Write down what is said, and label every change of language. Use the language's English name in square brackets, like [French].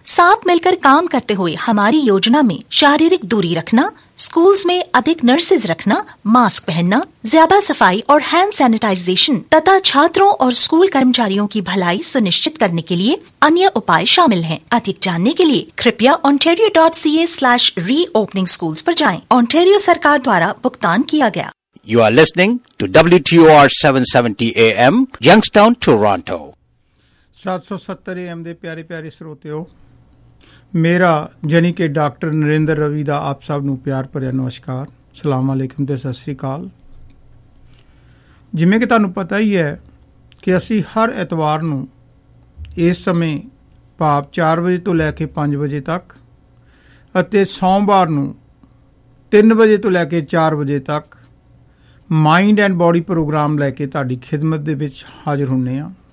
[Hindi] साथ मिलकर काम करते हुए हमारी योजना में शारीरिक दूरी रखना, स्कूल्स में अधिक नर्सेज रखना, मास्क पहनना, ज्यादा सफाई और हैंड सैनिटाइजेशन तथा छात्रों और स्कूल कर्मचारियों की भलाई सुनिश्चित करने के लिए अन्य उपाय शामिल हैं। अधिक जानने के लिए कृपया ontario.ca/reopeningschools पर जाएं। ओंटेरियो सरकार द्वारा भुगतान किया गया। [English] You are listening to WTOR 770 AM, Youngstown, Toronto. [Punjabi] 770 AM ਦੇ ਪਿਆਰੇ ਪਿਆਰੇ ਸਰੋਤਿਓ, ਮੇਰਾ ਜਾਨੀ ਕਿ ਡਾਕਟਰ ਨਰਿੰਦਰ ਰਵੀ ਦਾ ਆਪ ਸਭ ਨੂੰ ਪਿਆਰ ਭਰਿਆ ਨਮਸਕਾਰ, ਸਲਾਮ ਅਲੈਕੁਮ ਅਤੇ ਸਤਿ ਸ਼੍ਰੀ ਅਕਾਲ। ਜਿਵੇਂ ਕਿ ਤੁਹਾਨੂੰ ਪਤਾ ਹੀ ਹੈ ਕਿ ਅਸੀਂ ਹਰ ਐਤਵਾਰ ਨੂੰ ਇਸ ਸਮੇਂ ਭਾਵ 4 ਵਜੇ ਤੋਂ ਲੈ ਕੇ 5 ਵਜੇ ਤੱਕ ਅਤੇ ਸੋਮਵਾਰ ਨੂੰ 3 ਵਜੇ ਤੋਂ ਲੈ ਕੇ 4 ਵਜੇ ਤੱਕ ਮਾਇੰਡ ਐਂਡ ਬੋਡੀ ਪ੍ਰੋਗਰਾਮ ਲੈ ਕੇ ਤੁਹਾਡੀ ਖਿਦਮਤ ਦੇ ਵਿੱਚ ਹਾਜ਼ਰ ਹੁੰਦੇ ਹਾਂ।